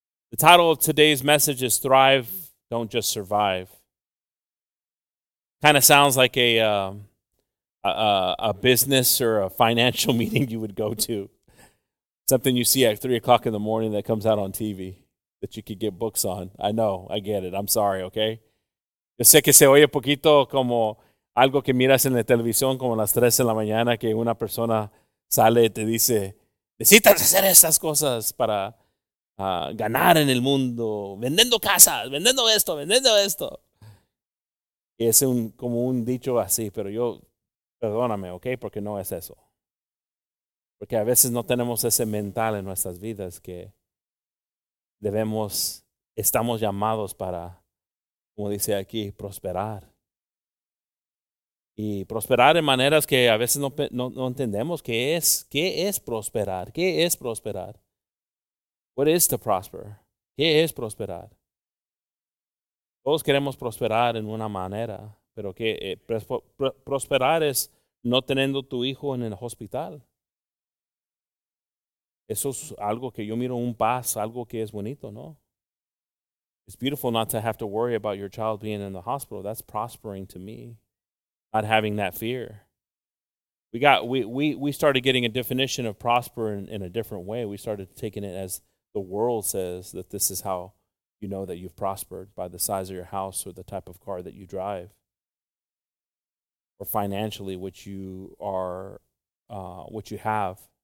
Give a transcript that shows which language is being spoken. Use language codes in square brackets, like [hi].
[en] The title of today's message is Thrive, Don't Just Survive. Kind of sounds like a business or a financial meeting you would go to. Something you see at 3 o'clock in the morning that comes out on TV that you could get books on. I know, I get it. I'm sorry, okay? [es] Yo sé que se oye poquito como algo que miras en la televisión como a las 3 de la mañana que una persona sale y te dice, necesitas hacer estas cosas para ganar en el mundo, vendiendo casas, vendiendo esto. Y es como un dicho así, pero yo, perdóname, okay, porque no es eso. Porque a veces no tenemos ese mental en nuestras vidas que estamos llamados para, como dice aquí, prosperar. Y prosperar en maneras que a veces no entendemos qué es prosperar. [en] What is to prosper? [es] ¿Qué es prosperar? Todos queremos prosperar en una manera, pero que prosperar es no teniendo tu hijo en el hospital. Eso es algo que yo miro un paz, algo que es bonito, ¿no? [en] It's beautiful not to have to worry about your child being in the hospital. That's prospering to me, not having that fear. We started getting a definition of prosper in a different way. We started taking it as the world says that this is how you know that you've prospered, by the size of your house or the type of car that you drive, or financially what you are, what you have.